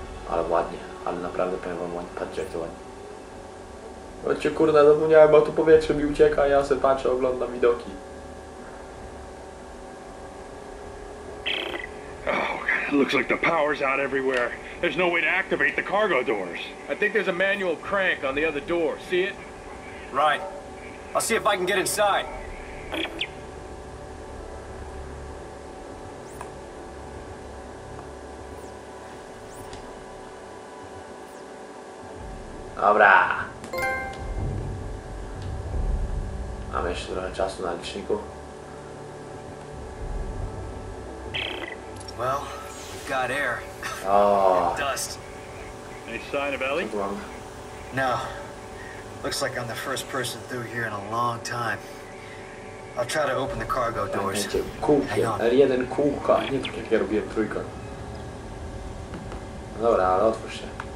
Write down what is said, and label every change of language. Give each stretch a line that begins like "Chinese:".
Polish: Ale ładnie, ale naprawdę powiem wam ładnie, patrzcie jak to ładnie. Chodźcie kurde, zapomniałem, bo tu powietrze mi ucieka, ja se patrzę, oglądam widoki.
English: Oh god, it looks like the power's out everywhere. There's no way to activate the cargo doors. I think there's a manual crank on the other door, see it? Right. I'll see if I can get inside.
Polish: Dobra. Mam jeszcze trochę czasu na liczniku.
English: Well, we've got air. Dust. Any sign of Ellie? No. Looks like I'm the first person through here in a long time. I'll try to open the cargo doors.
Polish: R1 kółka. Nie tak jak ja robiłem trójkę. No dobra, ale otwórz się.